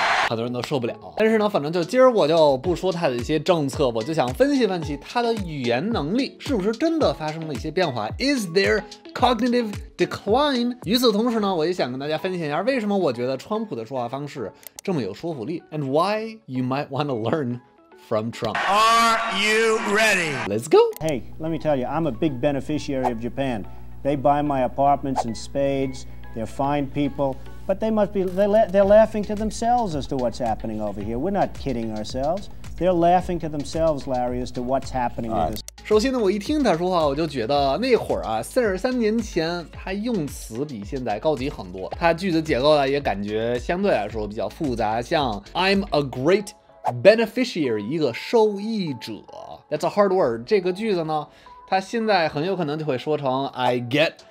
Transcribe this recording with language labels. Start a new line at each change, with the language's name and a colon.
Chinese: 好多人都受不了，但是呢，反正就今儿我就不说他的一些政策，我就想分析分析他的语言能力是不是真的发生了一些变化。
English: Is there cognitive decline?
Chinese: 与此同时呢，我也想跟大家分享一下为什么我觉得川普的说话方式这么有说服力。
English: And why you might want to learn from Trump. Are you ready? Let's go. Hey, let me tell you, I'm a big beneficiary of Japan. They buy my apartments in spades. They're fine people. But they must be, they're laughing to themselves as to what's happening over here. We're not kidding ourselves. They're laughing to themselves, Larry, as to what's happening with this.
Chinese: 首先呢，我一听他说话，我就觉得那会儿啊，43年前，他用词比现在高级很多。他句子结构呢，也感觉相对来说比较复杂。像
English: I'm a great beneficiary,
Chinese: 一个受益者。
English: That's a hard word.
Chinese: 这个句子呢，他现在很有可能就会说成
English: I get.